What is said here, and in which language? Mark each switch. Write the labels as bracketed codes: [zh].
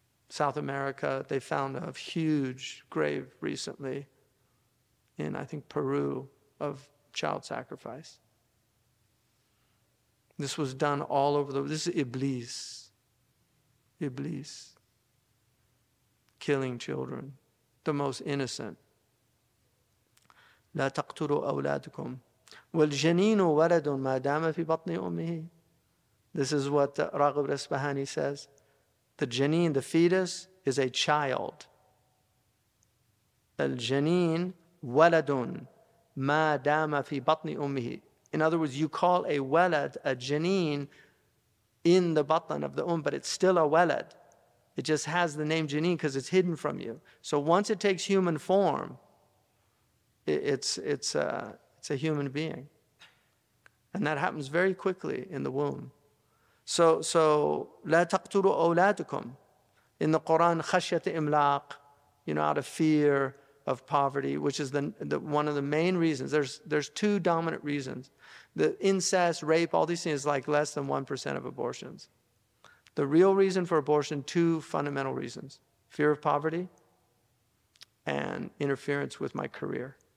[en] South America, they found a huge grave recently in, I think, Peru, of child sacrifice. This was done all over the world. This is Iblis, killing children, the most innocent. [ar] لا تقتلوا أولادكم والجنين ولد ما دام في بطن أمه. [en] This is what Raghib Isfahani says. The janin, the fetus, is a child. [ar] الجنين ولد ما دام في بطن أمه. [en] In other words, you call a walad a janin in the batn of the but it's still a walad. It just has the name janin because it's hidden from you. So once it takes human form, it's a human being, and that happens very quickly in the womb. [ar] So لا تقتلوا أولادكم. [en] In the Quran, [ar] خشية إملاق, [en] you know, out of fear of poverty, which is the one of the main reasons. There's two dominant reasons: the incest, rape, all these things, like less than 1% of abortions. The real reason for abortion, two fundamental reasons: fear of poverty and interference with my career.